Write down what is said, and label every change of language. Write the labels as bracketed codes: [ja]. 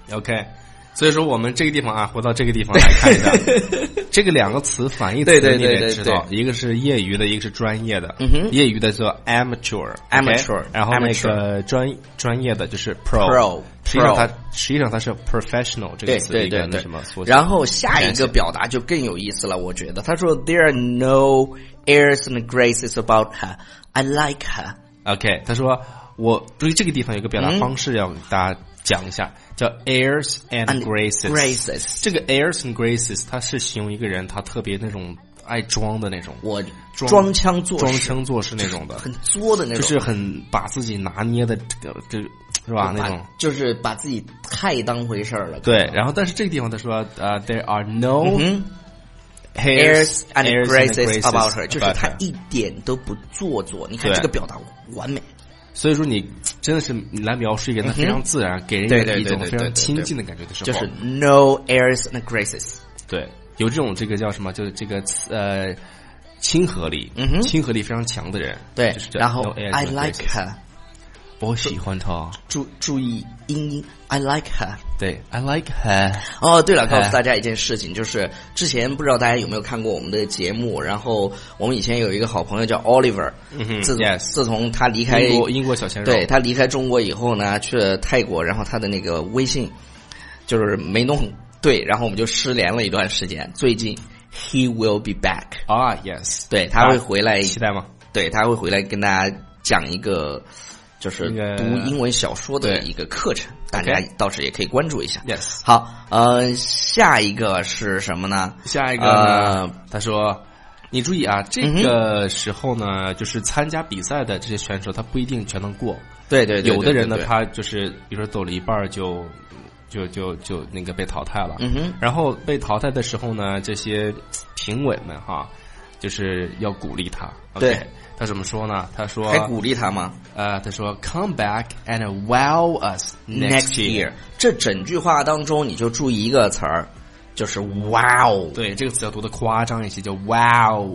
[zh] ？OK， 所以说我们这个地方啊，回到这个地方来看一下，这个两个词反义词，对对对对对对，你得知道，一个是业余的，一个是专业的。业余的叫 amateur， [en] okay？ [zh] 然后那个专业的就是 pro。实际上它是 professional 这个词的一个，对对对对，那什么缩写。然后下一个表达就更有意思了，我觉得他说 [en] There are no airs and graces about her. I like her. [zh] OK， 他说我对这个地方有个表达方式要大家讲一下，叫 airs and graces。 [en] Graces [zh] 这个 airs and graces 它是形容一个人他特别那种爱装的那种，我装腔作装腔作势那种的，很作的那种，就是很把自己拿捏的这个这是吧，那种就是把自己太当回事了。对，然后但是这个地方他说 [en] there are no、嗯、 airs and graces about her， [zh] 就是他一点都不做作。你看这个表达完美，所以说你真的是来描述一个人非常自然、嗯、给人一种非常亲近的感觉的时候，就是 [en] no airs and graces。 [zh] 对，有这种这个叫什么，就是这个亲和力、嗯、哼，亲和力非常强的人。对、就是、然后、 [en] no、graces, I like her， [zh] 我喜欢她，注意音音 [en] I like her。对， I like her。 [zh] 哦，对了，告诉大家一件事情，就是之前不知道大家有没有看过我们的节目，然后我们以前有一个好朋友叫 Oliver、嗯、自从他离开英国小鲜肉，对，他离开中国以后呢去了泰国，然后他的那个微信就是没弄对，然后我们就失联了一段时间。最近 [en] he will be back。 Yes， [zh] 对，他会回来、啊、期待吗？对，他会回来跟大家讲一个就是读英文小说的一个课程，大家到时也可以关注一下。 [en] Yes， [zh] 好，下一个是什么呢？下一个他说你注意啊，这个时候呢、嗯、就是参加比赛的这些选手他不一定全能过。对对 对， 对， 对，有的人呢他就是比如说走了一半就那个被淘汰了。嗯哼，然后被淘汰的时候呢，这些评委们哈就是要鼓励他。对、 okay， 他怎么说呢？他说还鼓励他吗？他说 [en] come back and wow us next year， [zh] 这整句话当中你就注意一个词儿，就是 wow。对，这个词要读的夸张一些，就 wow。